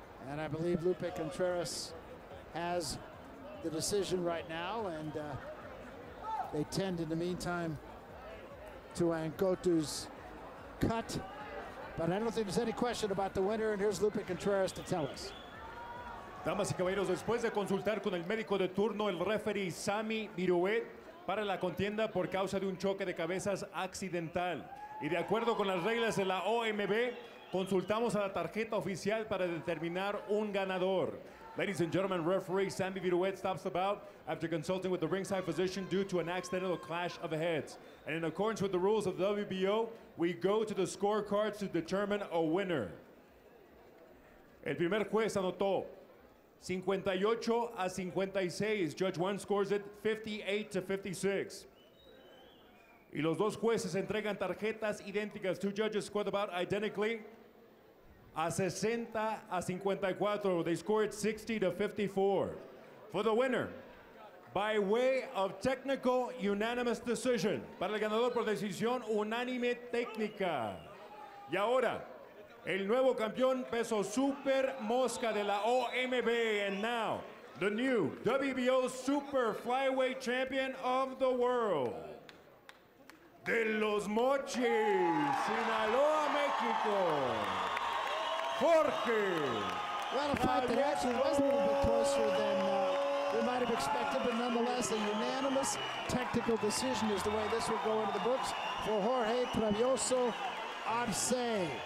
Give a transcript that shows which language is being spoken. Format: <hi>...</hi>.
<en>And I believe Lupe Contreras has the decision right now, and they tend in the meantime to Angkota's cut. But I don't think there's any question about the winner, and here's Lupe Contreras to tell us.</en> <es>Damas y caballeros, después de consultar con el médico de turno, el referee Sammy Viruet, para la contienda por causa de un choque de cabezas accidental. Y de acuerdo con las reglas de la OMB, consultamos a la tarjeta oficial para determinar un ganador.</es> <en>Ladies and gentlemen, referee Sammy Viruet stops the bout after consulting with the ringside physician due to an accidental clash of heads. And in accordance with the rules of the WBO, we go to the scorecards to determine a winner.</en> <es>El primer juez anotó 58 a 56.</es> <en>Judge 1 scores it 58 to 56.</en> <es>Y los dos jueces entregan tarjetas idénticas.</es> <en>Two judges score the bout identically.</en> <es>A 60 a 54.</es> <en>They score it 60 to 54. For the winner, By way of technical unanimous decision.</en> <es>Para el ganador por decisión unánime técnica. Y ahora, el nuevo campeón peso super mosca de la OMB.</es> <en>And now, the new WBO super flyweight champion of the world.</en> <es>De los Mochis, Sinaloa, México. Jorge.</es> <en>Well, a fight that actually was a little bit closer than we might have expected, but nonetheless, a unanimous technical decision is the way this will go into the books for Jorge Travioso Arce.</en>